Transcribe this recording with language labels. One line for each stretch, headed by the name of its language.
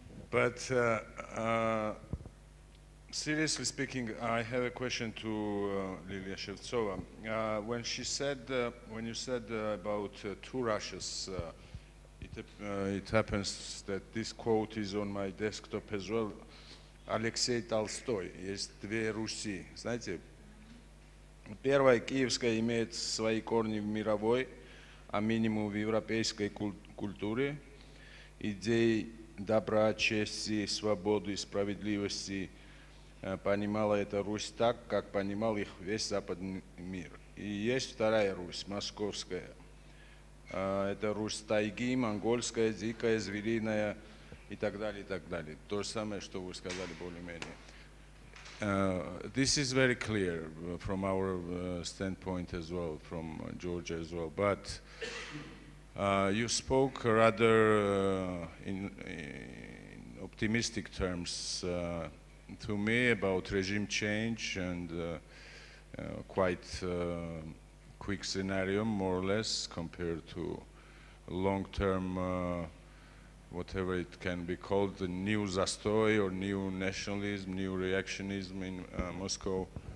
English: But seriously speaking, I have a question to Lilia Shevtsova. When she said, when you said about two Russias, it happens that this quote is on my desktop as well.
Russian: Алексей Толстой, есть две Руси. Знаете, первая, киевская, имеет свои корни в мировой, а минимум в европейской культуре, идеи добра, чести, свободы, справедливости, понимала эта Русь так, как понимал их весь западный мир. И есть вторая Русь, московская. Это Русь тайги, монгольская, дикая, звериная, и так далее, и так далее. То же самое, что вы сказали более-менее.
English: This is very clear from our standpoint as well, from Georgia as well. But you spoke rather in optimistic terms to me about regime change and quite quick scenario, more or less, compared to long-term whatever it can be called, the new Zastoy or new nationalism, new reactionism in Moscow.